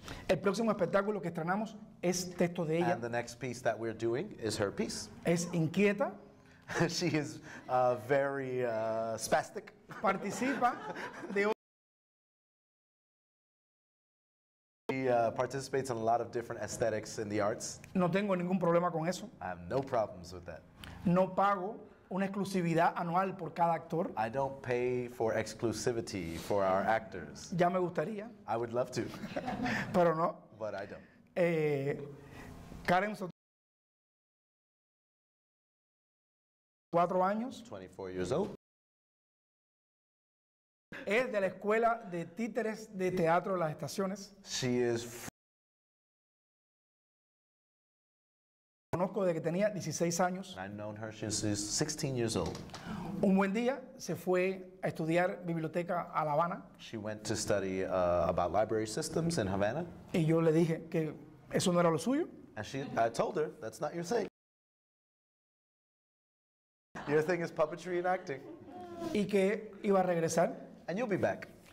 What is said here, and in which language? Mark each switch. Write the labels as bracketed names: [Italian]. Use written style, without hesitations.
[Spanish] El próximo espectáculo que estrenamos es texto de ella. [English] And the next piece that we're doing is her piece. [Spanish] Es inquieta. [English] She is very spastic. [Spanish] Participa de [English] participates in a lot of different aesthetics in the arts. [Spanish] No tengo ningún problema con eso. [English] I have no problems with that. [Spanish] No pago una exclusividad anual por cada actor. [English] I don't pay for exclusivity for our actors. [Spanish] Ya me gustaría. [English] I would love to. [Spanish] Pero no. [English] But I don't. [Spanish] Karen Soto. 4 años. [English] 24 years old. [Spanish] Es de la escuela de títeres de teatro de las Estaciones. [English] She is. [Spanish] Conozco de que tenía 16 años. [English] I've known her since she's 16 years old. [Spanish] Un buen día se fue a estudiar biblioteca a La Habana. [English] She went to study about library systems in Havana. [Spanish] Y yo le dije que eso no era lo suyo. [English] And I told her that's not your thing. Your thing is puppetry and acting. [Spanish] Y que iba a regresar. [English] And you'll be back.